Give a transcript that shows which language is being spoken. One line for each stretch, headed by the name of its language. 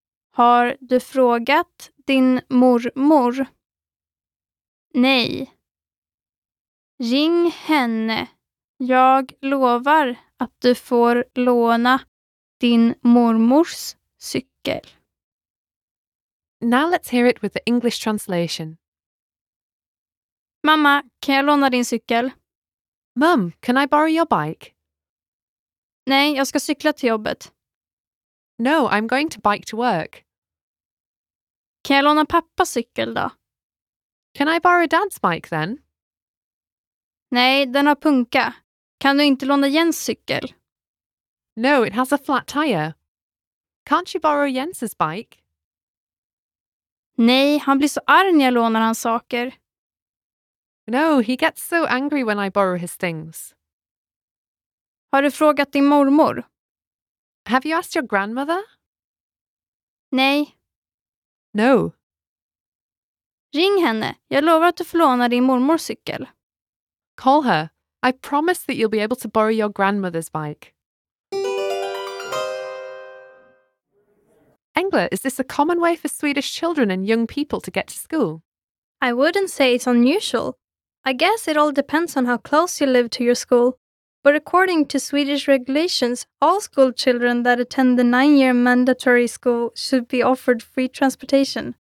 Swedish: Har du frågat din mormor? Nej. Ring henne. Jag lovar att du får låna din mormors cykel.
English: Now let's hear it with the English translation.
Swedish: Mamma, kan jag låna din cykel?
English: Mum, can I borrow your bike?
Swedish: Nej, jag ska cykla till jobbet.
English: No, I'm going to bike to work.
Swedish: Kan jag låna pappas cykel då?
English: Can I borrow dad's bike then?
Swedish: Nej, den har punka. Kan du inte låna Jens cykel?
English: No, it has a flat tire. Can't you borrow Jens's bike?
Swedish: Nej, han blir så arg när jag lånar hans saker.
English: No, he gets so angry when I borrow his things.
Swedish: Har du frågat din mormor?
English: Have you asked your grandmother?
Swedish: Nej.
English: No.
Swedish: Ring henne. Jag lovar att du får låna din mormors cykel.
English: Call her. I promise that you'll be able to borrow your grandmother's bike. Engla, is this a common way for Swedish children and young people to get to school? I wouldn't say it's unusual. I guess it all depends on how close you live to your school. But according to Swedish regulations, all school children that attend the 9-year mandatory school should be offered free transportation.